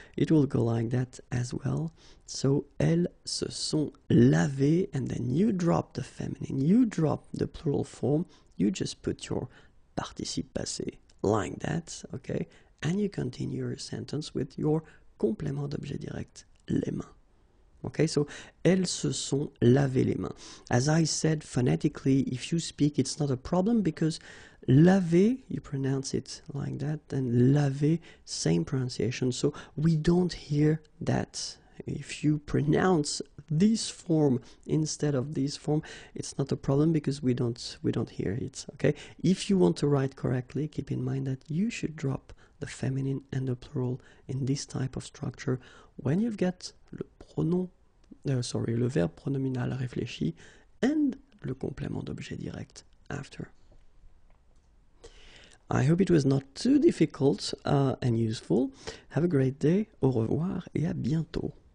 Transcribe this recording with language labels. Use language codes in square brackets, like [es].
[en] It will go like that as well. So, [fr] elles se sont lavées, [en] and then you drop the feminine, you drop the plural form. You just put your participe passé like that, okay? And you continue your sentence with your [fr] complément d'objet direct, les mains. [en] Okay, so, [fr] elles se sont lavées les mains. [en] As I said, phonetically, if you speak, it's not a problem because laver, you pronounce it like that, and laver, same pronunciation. So, we don't hear that. If you pronounce this form instead of this form, it's not a problem because we don't hear it, okay? If you want to write correctly, keep in mind that you should drop the feminine and the plural in this type of structure when you've got [fr] le verbe pronominal réfléchi [en] and [fr] le complément d'objet direct [en] after. I hope it was not too difficult and useful. Have a great day, [fr] au revoir et à bientôt.